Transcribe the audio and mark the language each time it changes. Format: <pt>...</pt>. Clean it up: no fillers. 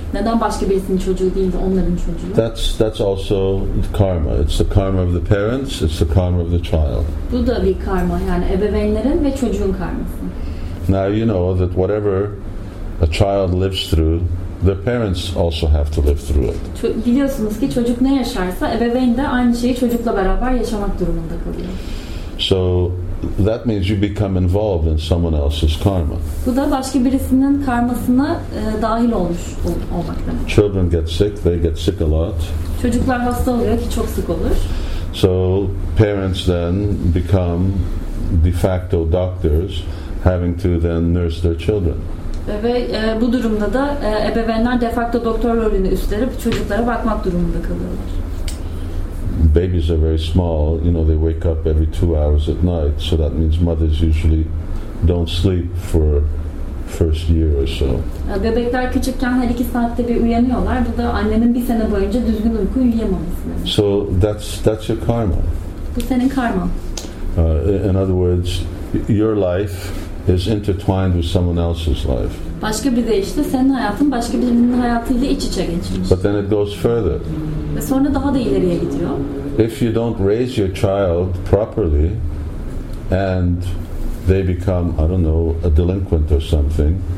<tr>Neden başka birisinin çocuğu değil de onların çocuğu?</tr> <en>That's also karma. It's the karma of the parents. It's the karma of the child.</en> <tr>Bu da bir karma, yani ebeveynlerin ve çocuğun karması.</tr> <en>Now you know that whatever a child lives through, their parents also have to live through it.</en> <tr>Biliyorsunuz ki çocuk ne yaşarsa ebeveyn de aynı şeyi çocukla beraber yaşamak durumunda kalıyor.</tr> <en>So that means you become involved in someone else's karma.</en> <tr>Bu da başka birisinin karmasına dahil olmak demek.</tr> <en>Children get sick, they get sick a lot.</en> <tr>Çocuklar hasta oluyor ki çok sık olur.</tr> <en>So parents then become de facto doctors, having to then nurse their children.</en> <tr>Ve bu durumda da ebeveynler de facto doktor rolünü üstlenip çocuklara bakmak durumunda kalıyorlar.</tr> <en>Babies are very small, you know, they wake up every 2 hours at night, so that means mothers usually don't sleep for first year or so.</en> <tr>Bebekler küçükken her 2 saatte bir uyanıyorlar. Bu da annenin 1 sene boyunca düzgün uyku uyuyamamasını.</tr> <en>So that's your karma.</en> <tr>Bu senin karma.</tr> <en>In other words, your life is intertwined with someone else's life.</en> <tr>Başka biri de işte senin hayatın başka birinin hayatıyla iç içe geçmiş.</tr> <en>But then it goes further.</en> <tr>Ve sonra daha da ileriye gidiyor.</tr> <en>If you don't raise your child properly and they become, I don't know, a delinquent or something.</en>